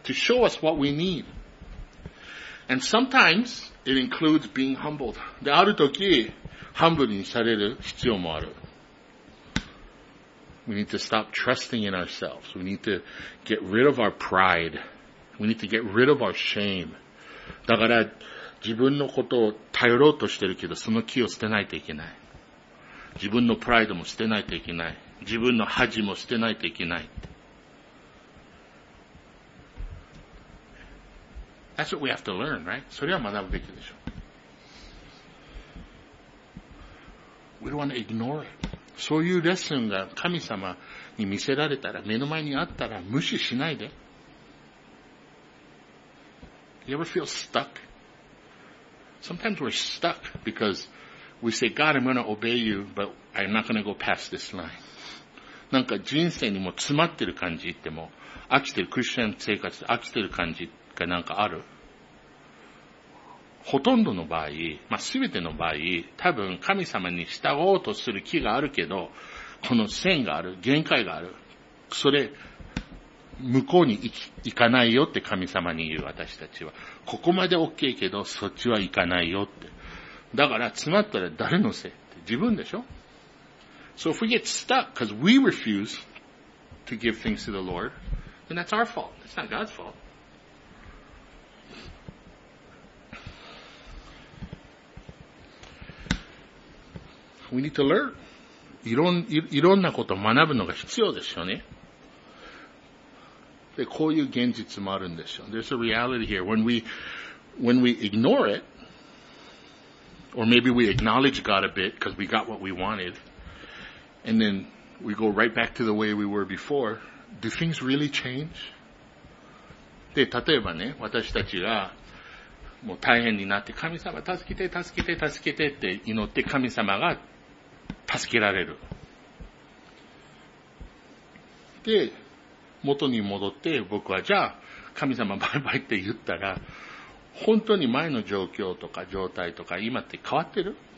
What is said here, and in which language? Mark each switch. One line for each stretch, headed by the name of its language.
English: to show us what we need. And sometimes, it includes being humbled.
Japanese: で、ある時、ハンブルにされる必要もある。
English: We need to stop trusting in ourselves. We need to get rid of our pride. We need to get rid of our shame.
Japanese: だから、自分のことを頼ろうとしてるけど、その気を捨てないといけない。自分のプライドも捨てないといけない。自分の恥も捨てないといけない。
English: That's what we have to learn, right?
Japanese: それは学ぶべきでしょ。
English: We don't want to ignore it.
Japanese: そういうレッスンが神様に見せられたら、目の前にあったら無視しないで。
English: You ever feel stuck? Sometimes we're stuck because we say, God, I'm going to obey you, but I'm not going to go past this line.
Japanese: なんか人生にも詰まってる感じ言っても、飽きてる、クリスチャン生活飽きてる感じがなんかある。ほとんどの場合、まあ、すべての場合、多分神様に従おうとする気があるけど、この線がある、限界がある。それ、向こうに行かないよって神様に言う私たちは。ここまで OK けど、そっちは行かないよって。だから、詰まったら誰のせいって。自分でしょ
English: ?So if we get stuck because we refuse to give things to the Lord, then that's our fault. It's not God's fault. We need to learn.
Japanese: いろんなことを学ぶのが必要ですよね。で、こういう現実もあるんですよ。
English: There's a reality here. When we ignore it, or maybe we acknowledge God a bit because we got what we wanted, and then we go right back to the way we were before, do things really change?
Japanese: で、例えばね、私たちがもう大変になって、神様、助けて、助けて、助けてって祈って、神様が助けられる。で、元に戻って僕はじゃあ神様バイバイって言ったら、本当に前の状況とか状態とか今って変わってる？